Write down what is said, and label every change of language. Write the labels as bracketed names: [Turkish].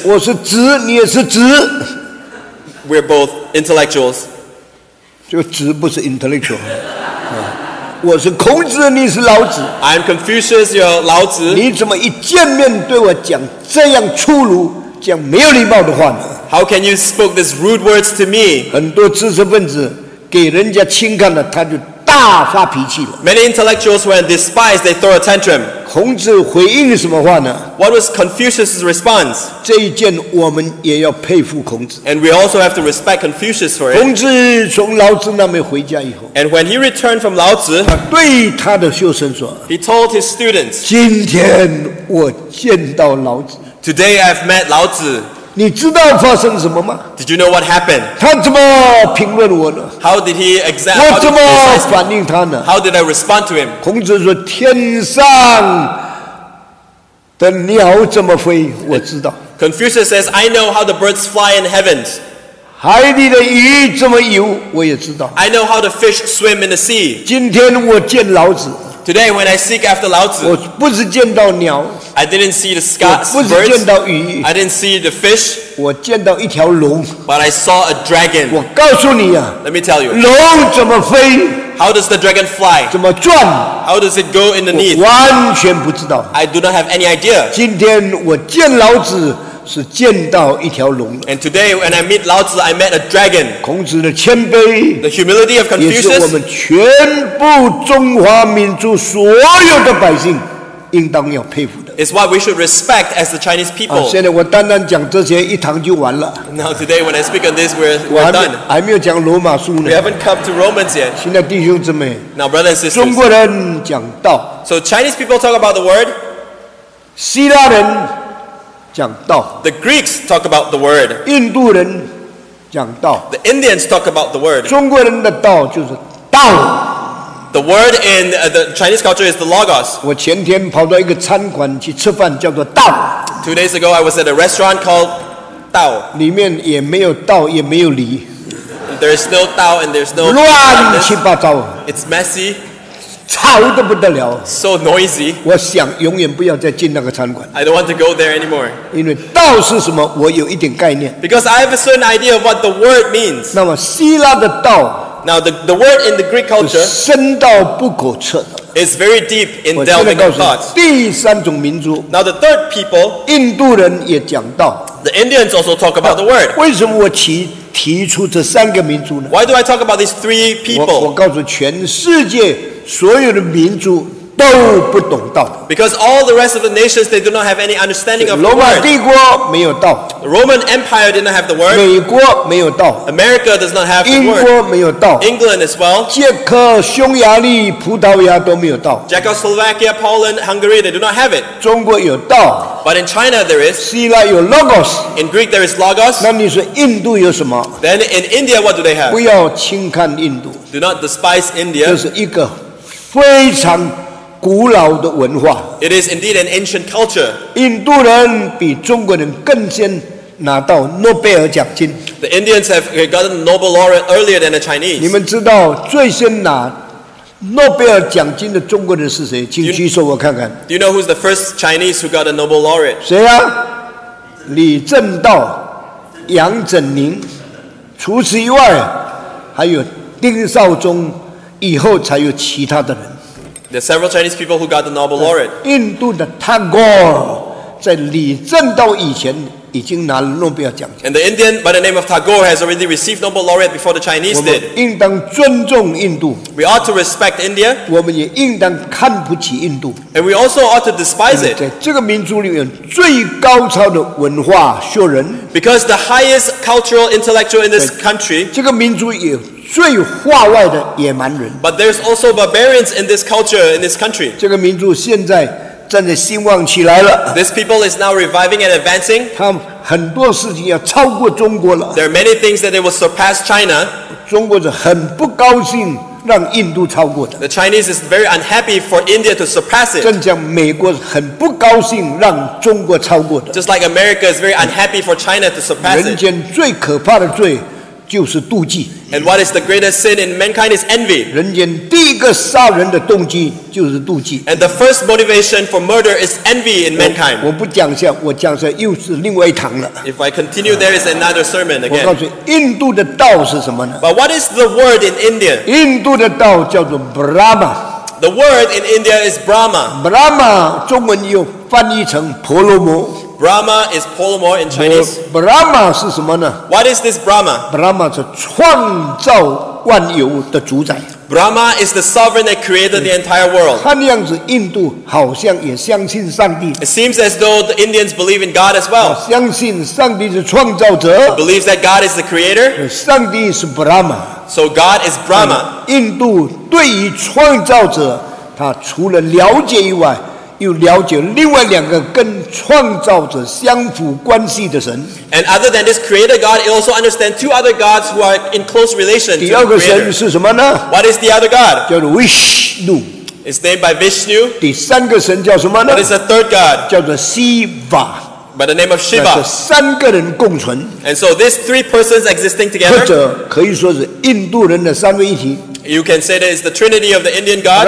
[Chinese] 我是直，你也是直。 [English] We're both intellectuals. [Chinese] 这个直不是 intellectual. 我是孔子，你是老子。 [English] I'm Confucius, you're 老子。 [Chinese] 你怎么一见面对我讲这样粗鲁、这样没有礼貌的话呢？ [English] How can you spoke these rude words to me? [Chinese] 很多知识分子给人家轻看了，他就大发脾气了。 [English] Many intellectuals, when despised, they throw a tantrum. [Chinese] 孔子回应什么话呢？ [English] What was Confucius' response? [Chinese] 这一件我们也要佩服孔子。 [English] And we also have to respect Confucius for it. [Chinese] 孔子从老子那边回家以后。 [English] And when he returned from 老子, [Chinese] 他对他的学生说。 [English] He told his students. [Chinese] 今天我见到老子。 [English] Today I've met 老子。 [Chinese] 你知道发生什么吗？ [English] Did you know what happened? [Chinese] 他怎么评论我呢？ [English] How did he exact? [Chinese] 我怎么反应他呢？ [English] How did I respond to him? [Chinese] 孔子说：天上的鸟怎么飞？我知道。 [English] Confucius says, I know how the birds fly in heavens. [Chinese] 海里的鱼怎么游？我也知道。 [English] I know how the fish swim in the sea. [Chinese] 今天我见老子。 [English] Today, when I seek after 老子， [Chinese] 我不是见到鸟。 [English] I didn't see the scots, [Chinese] 我不是见到鱼。 [English] I didn't see the fish. [Chinese] 我见到一条龙。 [English] But I saw a dragon. [Chinese] 我告诉你啊。 [English] Let me tell you. [Chinese] 龙怎么飞？ [English] How does the dragon fly? [Chinese] 怎么转？ [English] How does it go in the knees? [Chinese] 我完全不知道。 [English] I do not have any idea. [Chinese] 今天我见老子是见到一条龙。 [English] And today, when I meet 老子, I met a dragon. [Chinese] 孔子的谦卑。 [English] The humility of Confucius. [Chinese] 也是我们全部中华民族所有的百姓应当要佩服的。 [English] It's what we should respect as the Chinese people. [Chinese] 现在我单单讲这些一堂就完了。 [English] Now today when I speak on this, we're done. [Chinese] 还没有讲罗马书呢。 [English] We haven't come to Romans yet. [Chinese] 现在弟兄姊妹。 [English] Now brothers and sisters. [Chinese] 中国人讲道。 [English] So Chinese people talk about the word. [Chinese] 希腊人讲道。 [English] The Greeks talk about the word. [Chinese] 印度人讲道。 [English] The Indians talk about the word. [Chinese] 中国人的道就是道。 [English] The word in the Chinese culture is the logos. [Chinese] 我前天跑到一个餐馆去吃饭，叫做道。 [English] Two days ago, I was at a restaurant called 道。 [Chinese] 里面也没有道，也没有理。 [English] There is no 道 and there's no [Chinese] 乱七八糟。 [English] It's messy. [Chinese] 吵得不得了。 [English] So noisy. [Chinese] 我想永远不要再进那个餐馆。 [English] I don't want to go there anymore. [Chinese] 因为道是什么，我有一点概念。 [English] Because I have a certain idea of what the word means. [Chinese] 那么希腊的道。 [English] Now the word in the Greek culture is [Chinese] 深到不可测的。 [English] It's very deep in delving of thoughts. [Chinese] 第三种民族。 [English] Now the third people, [Chinese] 印度人也讲道。 [English] The Indians also talk about the word. [Chinese] 为什么我提出这三个民族呢？ [English] Why do I talk about these three people? [Chinese] 我告诉全世界所有的民族都不懂道。 [English] Because all the rest of the nations, they do not have any understanding of the word. [Chinese] 罗马帝国没有道。 [English] The Roman Empire did not have the word. [Chinese] 美国没有道。 [English] America does not have the word. [Chinese] 英国没有道。 [English] England as well. [Chinese] 捷克、匈牙利、葡萄牙都没有道。 [English] Czechoslovakia, Poland, Hungary, they do not have it. [Chinese] 中国有道。 [English] But in China there is. [Chinese] 希腊有 logos. [English] In Greek there is logos. [Chinese] 那你说印度有什么？ [English] Then in India what do they have? [Chinese] 不要轻看印度。 [English] Do not despise India. [Chinese] 这是一个非常古老的文化。 [English] It is indeed an ancient culture. [Chinese] 印度人比中国人更先拿到诺贝尔奖金。 [English] The Indians have gotten Nobel laureate earlier than the Chinese. [Chinese] 你们知道最先拿诺贝尔奖金的中国人是谁？请举手我看看。 [English] Do you know who's the first Chinese who got a Nobel laureate? [Chinese] 谁啊？李政道、杨振宁，除此以外，还有丁少宗，以后才有其他的人。 [English] There are several Chinese people who got the Nobel laureate. [Chinese] 印度的 Tagore 在李政道以前已经拿了诺贝尔奖。 [English] And the Indian by the name of Tagore has already received Nobel laureate before the Chinese did. [Chinese] 我们应当尊重印度。 [English] We ought to respect India. [Chinese] 我们也应当看不起印度。 [English] And we also ought to despise it. [Chinese] 在这个民族里面最高超的文化学人。 [English] Because the highest cultural intellectual in this country. [Chinese] 这个民族也最化外的野蛮人。 [English] But there's also barbarians in this culture, in this country. [Chinese] 这个民族现在正在兴旺起来了。 [English] This people is now reviving and advancing. [Chinese] 他们很多事情要超过中国了。 [English] There are many things that they will surpass China. [Chinese] 中国人很不高兴让印度超过的。 [English] The Chinese is very unhappy for India to surpass it. [Chinese] 正像美国很不高兴让中国超过的。 [English] Just like America is very unhappy for China to surpass it. [Chinese] 人间最可怕的罪就是妒忌。 [English] And what is the greatest sin in mankind is envy. [Chinese] 人间第一个杀人的动机就是妒忌。 [English] And the first motivation for murder is envy in mankind. [Chinese] 我不讲下，我讲下又是另外一堂了。 [English] If I continue, there is another sermon again. [Chinese] 我告诉你，印度的道是什么呢？ [English] But what is the word in India? [Chinese] 印度的道叫做 Brahma. [English] The word in India is Brahma. [Chinese] Brahma 中文又翻译成婆罗摩。 [English] Brahma is Polomo in Chinese. [Chinese] Brahma 是什么呢？ [English] What is this Brahma? [Chinese] Brahma 是创造万有的主宰。 [English] Brahma is the sovereign that created the entire world. [Chinese] 看样子印度好像也相信上帝。 [English] It seems as though the Indians believe in God as well. [Chinese] 相信上帝是创造者。 [English] Believes that God is the creator. [Chinese] 上帝是 Brahma. [English] So God is Brahma. [Chinese] 印度对于创造者，他除了了解以外，又了解另外两个跟创造者相符关系的神。 [English] And other than this creator God, it also understands two other gods who are in close relation to the creator. [Chinese] 第二个神是什么呢？ [English] What is the other god? [Chinese] 叫做 Vishnu. [English] It's named by Vishnu. [Chinese] 第三个神叫什么呢？ [English] What is the third god? [Chinese] 叫做 Shiva. [English] By the name of Shiva. [Chinese] 是三个人共存。 [English] And so these three persons existing together. [Chinese] 或者可以说是印度人的三位一体。 [English] You can say that it's the trinity of the Indian god.